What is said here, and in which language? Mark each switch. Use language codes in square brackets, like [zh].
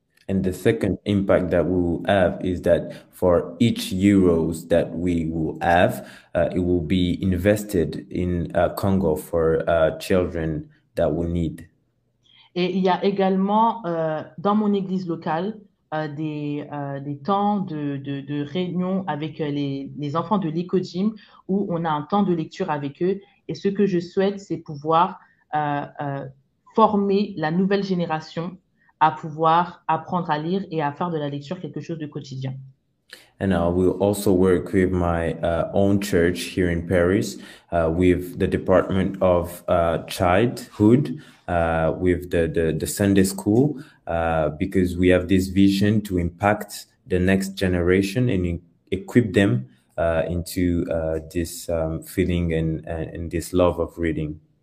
[en] And the second impact that we will have is that for each euros that we will have, it will be invested in Congo for children that will need. [fr] Et il y a également dans mon église locale des temps de réunion avec les enfants de l'Ecogym où on a un temps de lecture avec eux. Et ce que je souhaite, c'est pouvoir former la nouvelle génération à pouvoir apprendre à lire et à faire de la lecture quelque chose de quotidien. [en] And I will also work with my own church here in Paris, with the department of childhood, with the Sunday school, because we have this vision to impact the next generation and equip them into this feeling and this love of reading.